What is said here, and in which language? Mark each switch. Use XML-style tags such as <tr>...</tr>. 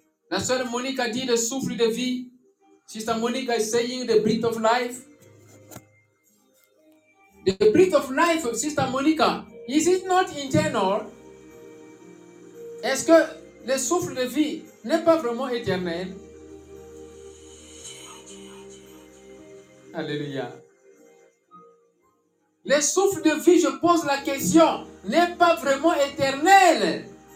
<fr>La sœur Monica dit le souffle de vie.</fr> <en>Sister Monica is saying the breath of life. The breath of life, Sister Monica, is it not internal?</en> <fr>Est-ce que le souffle de vie n'est pas vraiment éternel? Alléluia. Le souffle de vie, je pose la question, n'est pas vraiment éternel.</fr>